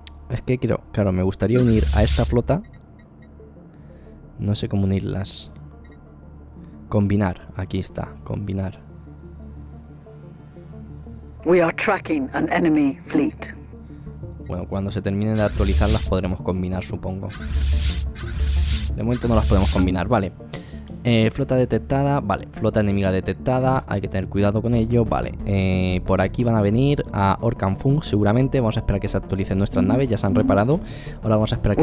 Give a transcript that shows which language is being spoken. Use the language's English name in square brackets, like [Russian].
[Spanish] Es que quiero, claro, me gustaría unir a esta flota. No sé cómo unirlas. Combinar, aquí está, combinar. [English] We are tracking an enemy fleet. [Spanish] Bueno, cuando se terminen de actualizar las podremos combinar, supongo. De momento no las podemos combinar, vale. Flota detectada, vale, flota enemiga detectada, hay que tener cuidado con ello, vale. Por aquí van a venir a Orkan Fung, seguramente. Vamos a esperar a que se actualicen nuestras naves, ya se han reparado. Ahora vamos a esperar a que